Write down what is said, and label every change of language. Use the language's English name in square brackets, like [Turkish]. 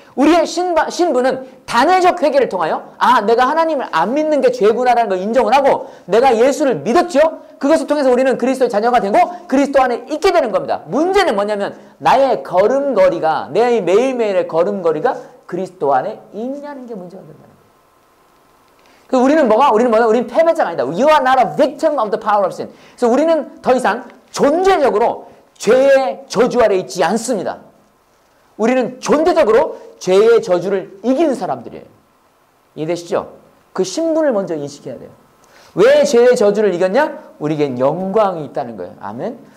[Korean] 우리의 신분은 단회적 회개를 통하여 아 내가 하나님을 안 믿는 게 죄구나라는 걸 인정을 하고 내가 예수를 믿었죠? 그것을 통해서 우리는 그리스도의 자녀가 되고 그리스도 안에 있게 되는 겁니다. 문제는 뭐냐면 나의 걸음걸이가 내 매일매일의 걸음걸이가 그리스도 안에 있냐는 게 문제가 된다는 거예요. 우리는 뭐가? 우리는 패배자가 아니다. [English] You are not a victim of the power of sin. [Korean] 그래서 우리는 더 이상 존재적으로 죄의 저주 아래 있지 않습니다. 우리는 존재적으로 죄의 저주를 이긴 사람들이에요. 이해되시죠? 그 신분을 먼저 인식해야 돼요. 왜 죄의 저주를 이겼냐? 우리에겐 영광이 있다는 거예요. 아멘.